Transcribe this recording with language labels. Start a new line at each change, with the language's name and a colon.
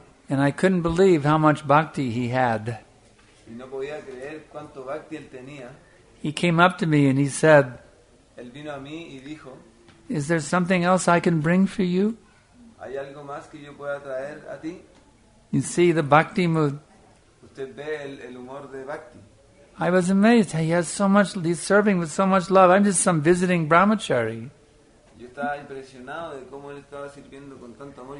English: And I couldn't believe how much bhakti he had.
Spanish: Y no podía creer cuánto bhakti él tenía.
English: He came up to me and he said,
Spanish: él vino a mí y dijo,
English: is there something else I can bring for you?
Spanish: ¿Hay algo más que yo pueda traer a ti?
English: You see the bhakti mood.
Spanish: Usted ve el humor de bhakti.
English: I was amazed. He has so much, he's serving with so much love. I'm just some visiting brahmachari.
Spanish: Yo estaba impresionado de cómo él estaba sirviendo con tanto amor.